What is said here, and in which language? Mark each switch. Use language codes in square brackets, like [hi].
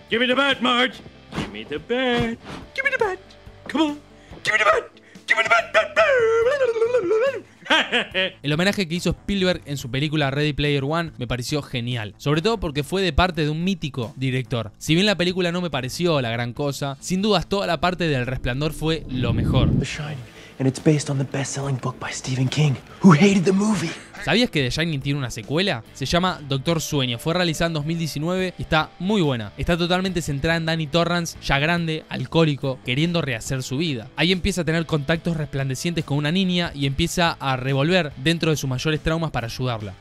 [en] Give me the bat, Marge. Give me the bat. Give me the bat. Come on. Give me the bat. Give me the bat. Bat, bat. [es] El homenaje que hizo Spielberg en su película Ready Player One me pareció genial, sobre todo porque fue de parte de un mítico director. Si bien la película no me pareció la gran cosa, sin dudas toda la parte del Resplandor fue lo mejor. [en] The Shining, and it's based on the best-selling book by Stephen King, who hated the movie. [es] ¿Sabías que The Shining tiene una secuela? Se llama Doctor Sueño, fue realizada en 2019 y está muy buena. Está totalmente centrada en Danny Torrance, ya grande, alcohólico, queriendo rehacer su vida. Ahí empieza a tener contactos resplandecientes con una niña y empieza a revolver dentro de sus mayores traumas para ayudarla.